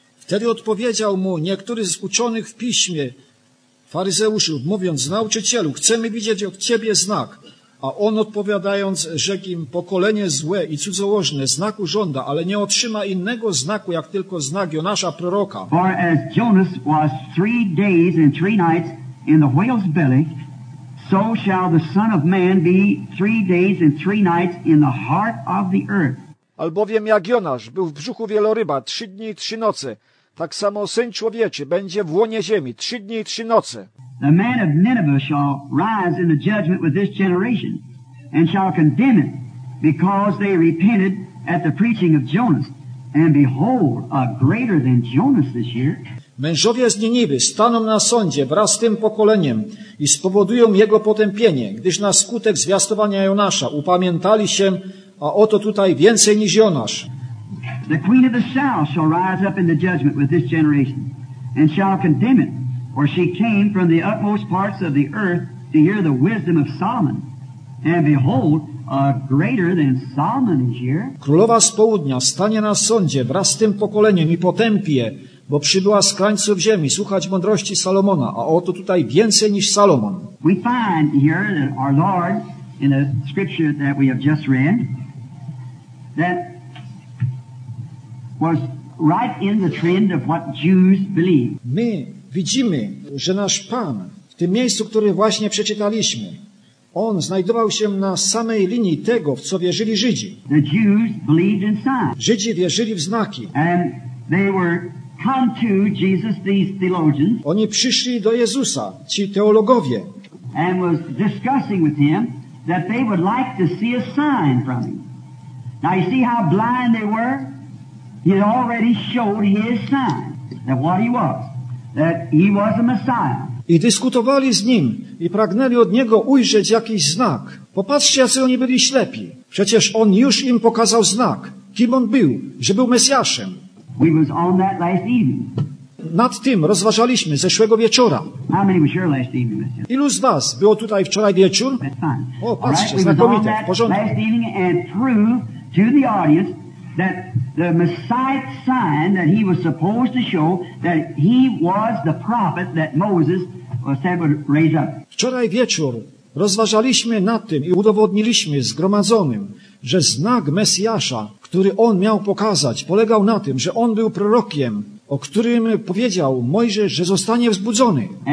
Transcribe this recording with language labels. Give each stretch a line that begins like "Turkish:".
Polish: Wtedy odpowiedział mu niektóry z uczonych w piśmie faryzeuszów, mówiąc, Nauczycielu, chcemy widzieć od Ciebie znak. A on odpowiadając, rzekł im, pokolenie złe i cudzołożne znaku żąda, ale nie otrzyma innego znaku, jak tylko znak Jonasza proroka.
English: For as Jonas was 3 days and 3 nights in the whale's belly, so shall the Son of Man be 3 days and 3 nights in the heart of the earth.
Polish: Albowiem jak Jonasz był w brzuchu wieloryba 3 dni i 3 noce, tak samo Syn Człowieczy będzie w łonie ziemi 3 dni i 3 noce.
English: The man of Nineveh shall rise in the judgment with this generation and shall condemn it because they repented at the preaching of Jonas. And behold, a greater than Jonas this year.
Polish: Mężowie z Niniwy staną na sądzie wraz z tym pokoleniem i spowodują jego potępienie, gdyż na skutek zwiastowania Jonasza upamiętali się, a oto tutaj więcej niż Jonasz.
English: The queen of the south shall rise up in the judgment with this generation and shall condemn it. For she came from the utmost parts of the earth to hear the wisdom of Solomon. And behold, a greater than Solomon is here.
Polish: Królowa z południa stanie na sądzie wraz z tym pokoleniem i potępi je, bo przybyła z krańców ziemi słuchać mądrości Salomona, a oto tutaj więcej niż Salomon.
English: We find here that our Lord, in the scripture that we have just read, that was right in the trend of what Jews believe.
Polish: Widzimy, że nasz Pan w tym miejscu, które właśnie przeczytaliśmy, on znajdował się na samej linii tego, w co wierzyli Żydzi.
English: The Jews believed in signs.
Polish: Żydzi wierzyli w znaki.
English: And they were come to Jesus, these theologians,
Polish: oni przyszli do Jezusa, ci teologowie.
English: And was discussing with him that they would like to see a sign from him. Now you see how blind they were? He had already showed his sign that what he was. That he was a Messiah.
Polish: I dyskutowali z nim i pragnęli od niego ujrzeć jakiś znak. Popatrzcie, jacy oni byli ślepi. Przecież on już im pokazał znak, kim on był, że był Mesjaszem.
English: We was on that last evening.
Polish: Nad tym rozważaliśmy zeszłego wieczora.
English: How many was your last evening, Mr.?
Polish: Ilu z was było tutaj wczoraj wieczór? O, patrzcie, znakomite, w porządku.
English: Last evening and prove to the audience that the Messiah sign that he was supposed to show that he was the prophet that Moses said would raise up.
Polish: Wczoraj wieczór rozważaliśmy nad tym i udowodniliśmy zgromadzonym, że znak Mesjasza, który on miał pokazać, polegał na tym, że on był prorokiem, o którym powiedział Mojżesz, że zostanie wzbudzony.